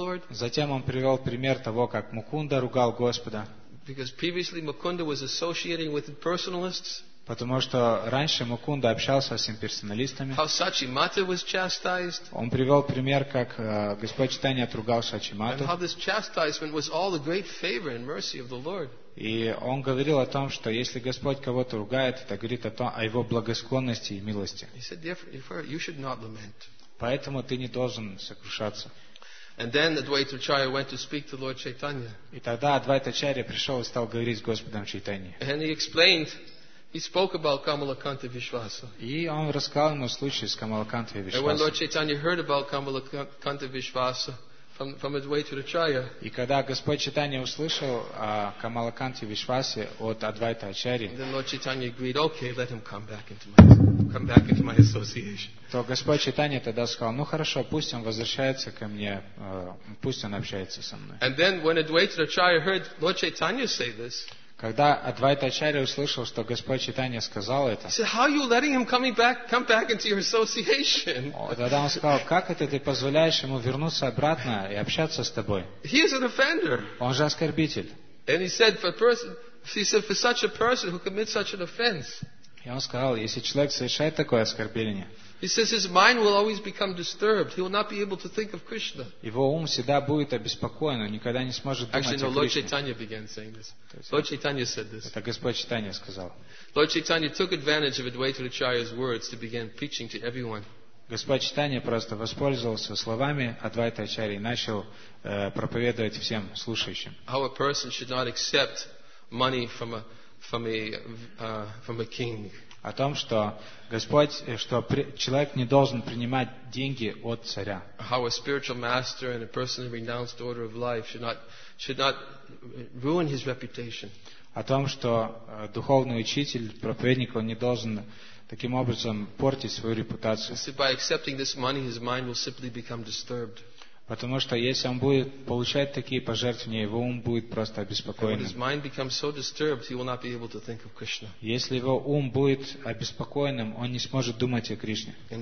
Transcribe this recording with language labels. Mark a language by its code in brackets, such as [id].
[ru] Затем Он привел пример того, как Мукунда ругал Господа. [en] Because previously Mukunda was associating with impersonalists. [ru] Потому что раньше Мукунда общался с имперсоналистами. [en] How Сачимата was chastised. [ru] Он привел пример, как Господь Читания отругал Сачимату. [en] And how this chastisement was all the great favor and mercy of the Lord. [ru] И он говорил о том, что если Господь кого-то ругает, это говорит о том, о его благосклонности и милости. [en] He said, therefore, you should not lament. [ru] Поэтому ты не должен сокрушаться. [en] And then Advaita Acharya went to speak to Lord Chaitanya. [ru] И тогда Адвайта Ачарья пришел и стал говорить с Господом Чайтаньей. [en] And he explained. He spoke about Kamalakanta Vishvasa. [ru] И он рассказал ему случай с Камалакантой Вишвасой. [en] And when Lord Chaitanya heard about Kamalakanta Vishvasa from Advaita Acharya. [ru] И когда Господь Читания услышал о Камалаканте Вишвасе от Адвайта Ачарьи. [en] Then Lord Chaitanya agreed, okay, let him come back into my association. [ru] То Господь Читания тогда сказал, ну хорошо, пусть он возвращается ко мне, пусть он общается со мной. [en] And then when Advaita Acharya heard Lord Chaitanya say this. [ru] Когда Адвайта Ачарья услышал, что Господь Читания сказал это, [en] he said, "How are you letting him come back into your association?" [ru] Тогда он сказал, как это ты позволяешь ему вернуться обратно и общаться с тобой? [en] He is an offender. [ru] Он же оскорбитель. [en] And he said, for such a person who commits such an offense. [ru] И он сказал, если человек совершает такое оскорбление. [en] He says his mind will always become disturbed. He will not be able to think of Krishna. [ru] Его ум всегда будет обеспокоен, никогда не сможет думать о Кришне. [en] Actually, Lord Chaitanya began saying this. Lord Chaitanya said this. [ru] Это Господь Читания сказал. [en] Lord Chaitanya took advantage of Advaita Acharya's words to begin preaching to everyone. [ru] Господь Читания просто воспользовался словами Адвайта Ачарьи и начал проповедовать всем слушающим. [en] How a person should not accept money from a king. [ru] о том, что Господь, что человек не должен принимать деньги от царя. [en] How a spiritual master and a person in renounced order of life should not ruin his reputation. [ru] О том, что духовный учитель, проповедник, он не должен таким образом портить свою репутацию. [en] And by accepting this money, his mind will simply become disturbed. [ru] Потому что если он будет получать такие пожертвования, его ум будет просто обеспокоенным. Если его ум будет обеспокоенным, он не сможет думать о Кришне.